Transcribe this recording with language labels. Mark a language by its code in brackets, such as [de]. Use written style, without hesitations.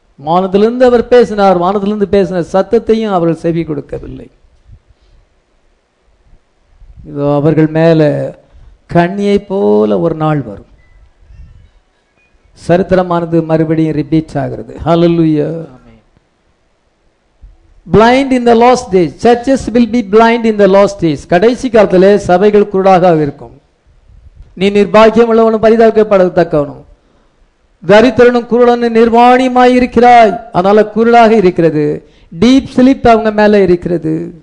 [ta] வானத்திலிருந்து அவர் பேசினார், வானத்திலிருந்து பேசின சத்தத்தையும் அவர்கள் செவி கொடுக்கவில்லை. இதோ அவர்கள் மேல கண்ணியை போல ஒரு நாள் வரும். சரித்திரமானது மறுபடியும் ரிப்பீட் ஆகிறது. ஹல்லேலூயா. [en] Blind in the last days. Churches will be blind in the last days. [ta] கடைசி காலத்தில் சபைகள் குருடாக இருக்கும். நீ நிர்பாகியம் உள்ளவனும் பரிதாபப்படத்தக்கவனும் தரித்திரனும் குருடனும் நிர்வாணியமாய் இருக்கிறாய். அதனால குருடாக இருக்கிறது. டீப் ஸ்லீப் அவங்க மேல இருக்கிறது.